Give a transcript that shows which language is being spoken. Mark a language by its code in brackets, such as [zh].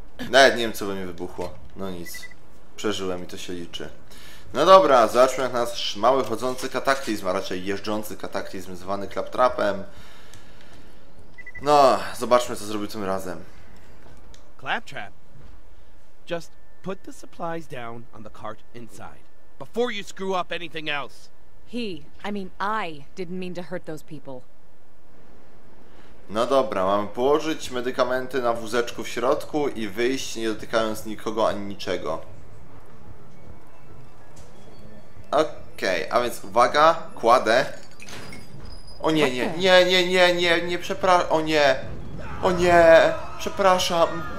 [pl] Nawet nie wiem, co by mi wybuchło. No nic. Przeżyłem i to się liczy. No dobra, zobaczmy jak nasz mały chodzący kataklizm, a raczej jeżdżący kataklizm zwany Claptrapem. No, zobaczmy co zrobił tym razem. Claptrap. [en] Just put the supplies down on the cart inside. Before you screw up anything else. He, I mean I didn't mean to hurt those people. [pl] No dobra, mam położyć medykamenty na wózeczku w środku i wyjść nie dotykając nikogo ani niczego. Okej, okay, a więc uwaga, kładę. O nie, nie, nie, nie, nie, nie, nie, przepraszam, o nie, przepraszam.